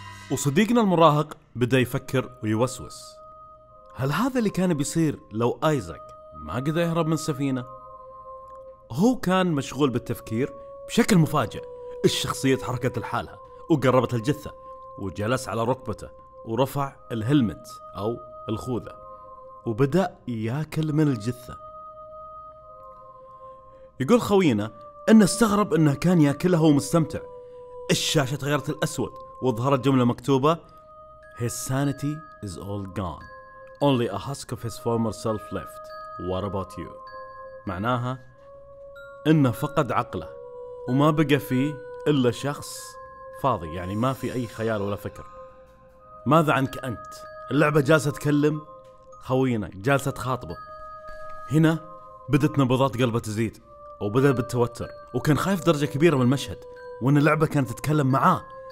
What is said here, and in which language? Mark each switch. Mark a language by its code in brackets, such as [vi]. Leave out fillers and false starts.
[ar] وصديقنا المراهق بدأ يفكر ويوسوس: هل هذا اللي كان بيصير لو آيزاك ما قدر يهرب من السفينة؟ هو كان مشغول بالتفكير، بشكل مفاجئ الشخصية تحركت لحالها وقربت الجثة وجلس على ركبته ورفع الهلمت أو الخوذة وبدأ يأكل من الجثة. يقول خوينا أنه استغرب أنه كان يأكلها ومستمتع. الشاشة تغيرت الأسود وظهرت جملة مكتوبة: [en] His sanity is all gone. Only a husk of his former self left. What about you? [ar] معناها انه فقد عقله وما بقى فيه الا شخص فاضي، يعني ما في اي خيال ولا فكر. ماذا عنك انت؟ اللعبة جالسة تكلم خوينا، جالسة تخاطبه. هنا بدت نبضات قلبه تزيد وبدأ بالتوتر، وكان خايف درجة كبيرة من المشهد، وان اللعبة كانت تتكلم معاه.